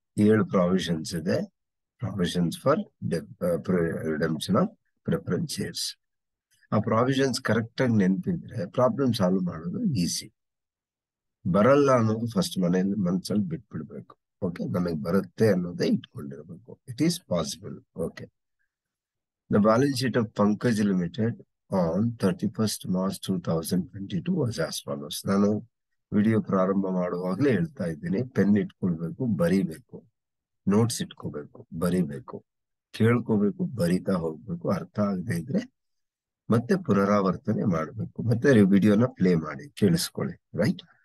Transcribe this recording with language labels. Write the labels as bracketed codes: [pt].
[kn] ಏಳು [en] provisions [kn] ಇದೆ, [en] Provisions for redemption of preference shares. [kn] ಆ ಪ್ರಾವಿಷನ್ಸ್ ಕರೆಕ್ಟ್ ಆಗಿ ನೆನಪಿದ್ರೆ ಪ್ರಾಬ್ಲಮ್ ಸಾಲ್ವ್ ಮಾಡೋದು ಈಸಿ. ಬರಲ್ಲ ಅನ್ನೋದು ಫಸ್ಟ್ ಮನೆಯಲ್ಲಿ ಮನಸ್ಸಲ್ಲಿ ಬಿಟ್ಬಿಡ್ಬೇಕು. ಓಕೆ, ನನಗೆ ಬರುತ್ತೆ ಅನ್ನೋದೇ ಇಟ್ಕೊಂಡಿರ್ಬೇಕು. [en] It is possible. Okay, the balance sheet of Pankaj Limited on 31st March 2022 was as follows. [kn] ನಾನು ವಿಡಿಯೋ ಪ್ರಾರಂಭ ಮಾಡುವಾಗಲೇ ಹೇಳ್ತಾ ಇದ್ದೀನಿ, ಪೆನ್ ಇಟ್ಕೊಳ್ಬೇಕು, ಬರೀಬೇಕು, ನೋಟ್ಸ್ ಇಟ್ಕೋಬೇಕು, ಬರೀಬೇಕು, ಕೇಳ್ಕೋಬೇಕು, ಬರೀತಾ ಹೋಗ್ಬೇಕು, ಅರ್ಥ ಆಗದೇ ಇದ್ರೆ ಮತ್ತೆ ಪುನರಾವರ್ತನೆ ಮಾಡಬೇಕು, ಮತ್ತೆ ವಿಡಿಯೋನ ಪ್ಲೇ ಮಾಡಿ ಕೇಳಿಸ್ಕೊಳ್ಳಿ, ರೈಟ್.